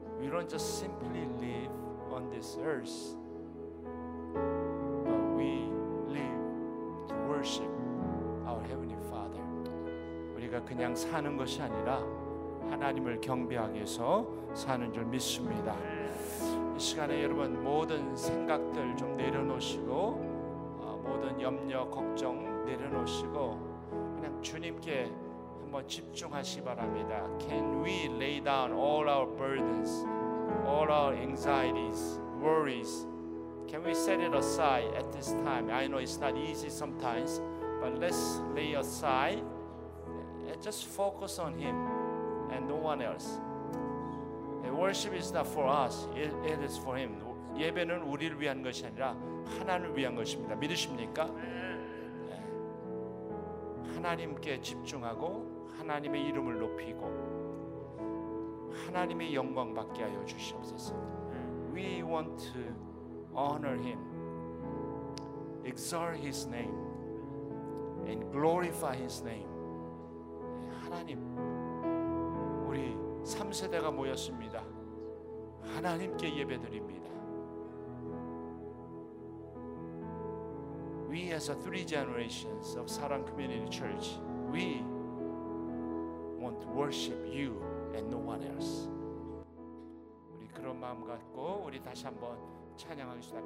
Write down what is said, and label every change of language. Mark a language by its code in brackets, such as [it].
[en] don't just simply live on this earth, but we live to worship our Heavenly Father. [ko] 우리가 그냥 사는 것이 아니라 하나님을 경배하기 위해서 사는 줄 믿습니다. 이 시간에 여러분 모든 생각들 좀 내려놓으시고 모든 염려, 걱정 내려놓으시고 그냥 주님께 한번 집중하시기 바랍니다. [en] Can we lay down all our burdens, all our anxieties, worries? Can we set it aside at this time? I know it's not easy sometimes, but let's lay aside and just focus on Him and no one else. Worship is not for us, it is for Him. [ko] 예배는 우리를 위한 것이 아니라 하나님을 위한 것입니다. 믿으십니까? 네. 하나님께 집중하고 하나님의 이름을 높이고 하나님의 영광 받게 하여 주시옵소서. [en] We want to honor Him, exalt His name, and glorify His name. [ko] 하나님, 우리 3세대가 모였습니다. 하나님께 예배드립니다. [en] We as a three generations of Sarang Community Church, we want to worship you and no one else. [ko] 우리 그런 마음 갖고 우리 다시 한번 찬양하겠습니다.